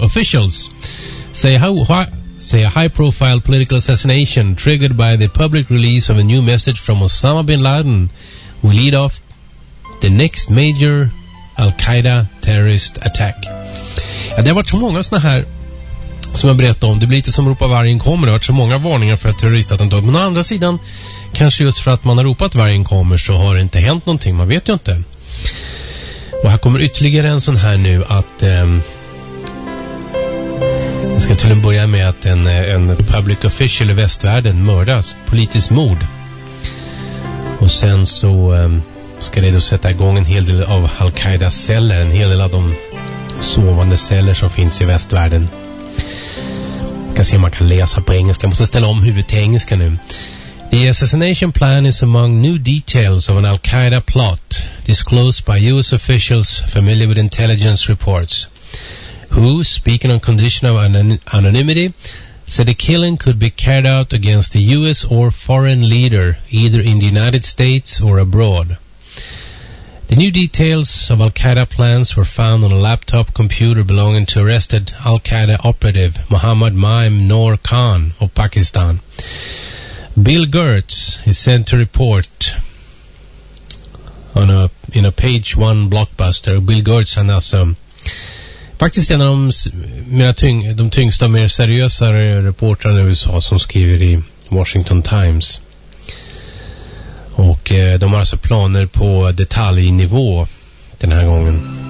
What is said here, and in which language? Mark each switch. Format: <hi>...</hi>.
<en>Officials say a high profile political assassination triggered by the public release of a new message from Osama bin Laden will lead off the next major Al-Qaeda terrorist attack.</en> <sv>Ja, det har varit så många såna här som jag berättade om. Det blir lite som ropa vargen kommer. Det har varit så många varningar för att terroristattentat. Men å andra sidan, kanske just för att man har ropat vargen kommer, så har det inte hänt någonting. Man vet ju inte. Och här kommer ytterligare en sån här nu, att det ska till en börja med att en</sv> <en>public official</en> <sv>i västvärlden mördas. Politiskt mord. Och sen så ska det då sätta igång en hel del av Al-Qaidas celler. En hel del av de sovande celler som finns i västvärlden. Jag ska se om man kan läsa på engelska. Jag måste ställa om huvudet till engelska nu.</sv> <en>The assassination plan is among new details of an Al-Qaeda plot disclosed by US officials familiar with intelligence reports, who, speaking on condition of anonymity, said the killing could be carried out against a US or foreign leader, either in the United States or abroad. The new details of Al-Qaeda plans were found on a laptop computer belonging to arrested Al-Qaeda operative Muhammad Maim Noor Khan of Pakistan. Bill Gertz is sent to report in a page one blockbuster.</en> <sv>Bill Gertz är alltså faktiskt en av de tyngsta och mer seriösa reportrarna i USA, som skriver i Washington Times. Och de har alltså planer på detaljnivå den här gången.</sv>